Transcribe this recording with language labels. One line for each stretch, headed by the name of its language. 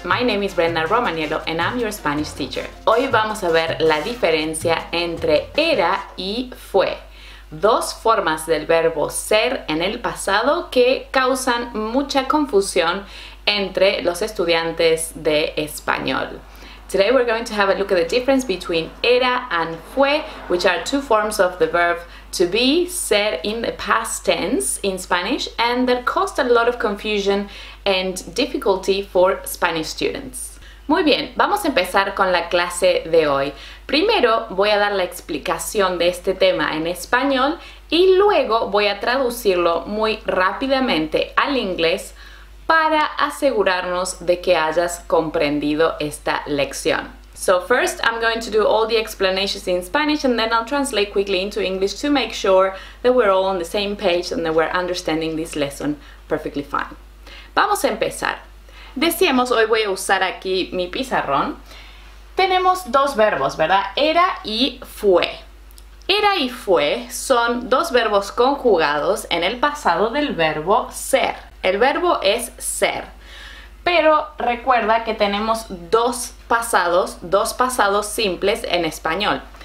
English: My name is Brenda Romaniello and I'm your Spanish teacher.
Spanish: Hoy vamos a ver la diferencia entre era y fue. Dos formas del verbo ser en el pasado que causan mucha confusión entre los estudiantes de español.
English: Today we're going to have a look at the difference between era and fue, which are two forms of the verb to be, ser in the past tense in Spanish, and that caused a lot of confusion and difficulty for Spanish students.
Spanish: Muy bien, vamos a empezar con la clase de hoy. Primero voy a dar la explicación de este tema en español y luego voy a traducirlo muy rápidamente al inglés para asegurarnos de que hayas comprendido esta lección.
English: So first I'm going to do all the explanations in Spanish and then I'll translate quickly into English to make sure that we're all on the same page and that we're understanding this lesson perfectly fine.
Spanish: Vamos a empezar. Decíamos, hoy voy a usar aquí mi pizarrón. Tenemos dos verbos, ¿verdad? Era y fue. Era y fue son dos verbos conjugados en el pasado del verbo ser. El verbo es ser, pero recuerda que tenemos dos pasados simples en español.